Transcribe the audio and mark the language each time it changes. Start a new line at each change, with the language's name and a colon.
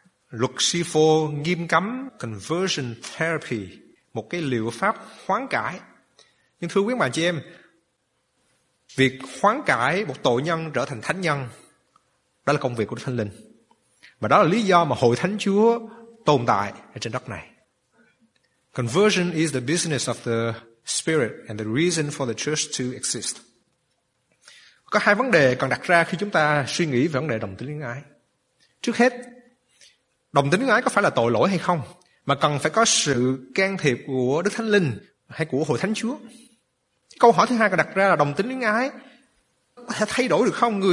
Vietnamese: Luật C4 nghiêm cấm conversion therapy, một cái liệu pháp hoán cải. Nhưng thưa quý bà chị em, Việc hoán cải một tội nhân trở thành thánh nhân, đó là công việc của Đức Thánh Linh. Và đó là lý do mà Hội Thánh Chúa tồn tại ở trên đất này.
English: Conversion is the business of the Spirit and the reason for the church to exist.
Vietnamese: Có hai vấn đề cần đặt ra khi chúng ta suy nghĩ về vấn đề đồng tính luyến ái. Trước hết, đồng tính luyến ái có phải là tội lỗi hay không, mà cần phải có sự can thiệp của Đức Thánh Linh hay của Hội Thánh Chúa. Câu hỏi thứ hai cần đặt ra là đồng tính luyến ái có thể thay đổi được không?